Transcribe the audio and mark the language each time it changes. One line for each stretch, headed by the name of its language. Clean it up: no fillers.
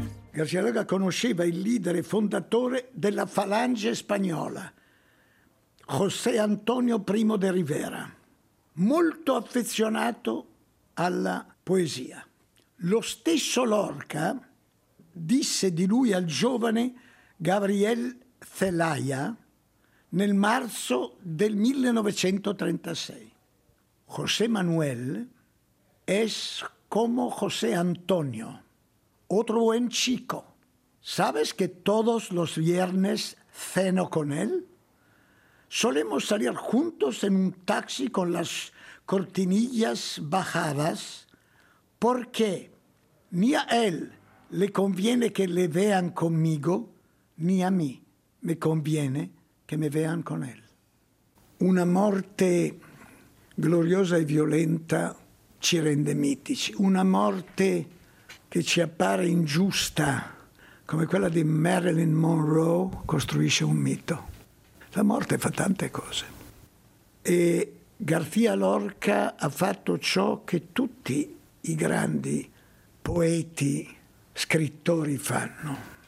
Italian: García Lorca conosceva il leader fondatore della Falange spagnola, José Antonio Primo de Rivera, molto affezionato alla poesia. Lo stesso Lorca disse di lui al giovane Gabriel Zelaya nel marzo del 1936.
Spanish: José Manuel es como José Antonio, otro buen chico. ¿Sabes que todos los viernes ceno con él? Solemos salir juntos en un taxi con las cortinillas bajadas porque ni a él le conviene que le vean conmigo, ni a mí me conviene que me vean con él.
Italian: Una morte gloriosa e violenta ci rende mitici. Una morte che ci appare ingiusta, come quella di Marilyn Monroe, costruisce un mito. La morte fa tante cose. E García Lorca ha fatto ciò che tutti i grandi poeti, scrittori fanno.